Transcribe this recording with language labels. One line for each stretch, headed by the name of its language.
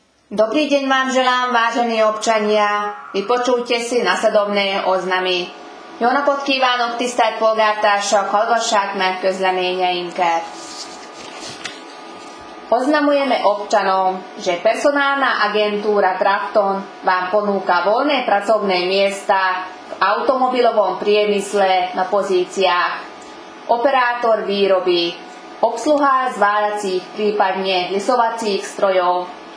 Slovak: Dobrý deň vám želám, vážení občania. Vypočujte si nasledovné oznamy.
Hungarian: Jó napot kívánok, tisztelt polgártársak, hallgassák meg közleményeinket.
Slovak: Oznamujeme občanom, že personálna agentúra Drafton vám ponúka voľné pracovné miesta v automobilovom priemysle na pozíciách operátor výroby, obsluha zváľacích, prípadne lisovacích strojov.